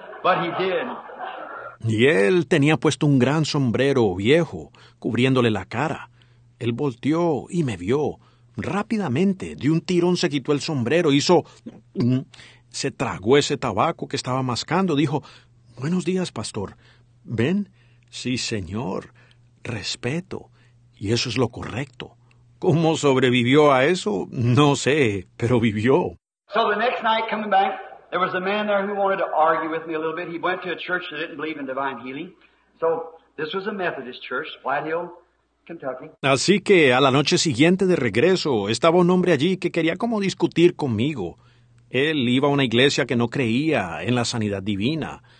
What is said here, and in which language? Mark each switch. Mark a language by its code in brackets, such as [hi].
[en] But he did. [es] Y él tenía puesto un gran sombrero viejo, cubriéndole la cara. Él volteó y me vio. Rápidamente, de un tirón se quitó el sombrero, hizo... Se tragó ese tabaco que estaba mascando. Dijo, buenos días, pastor. ¿Ven? Sí, señor. Respeto. Y eso es lo correcto. ¿Cómo sobrevivió a eso? No sé, pero vivió. [en] So the next night coming back, there was a man there who wanted to argue with me a little bit. He went to a church that didn't believe in divine healing. So this was a Methodist church, White Hill, Kentucky. [es] Así que a la noche siguiente de regreso, estaba un hombre allí que quería como discutir conmigo. Él iba a una iglesia que no creía en la sanidad divina.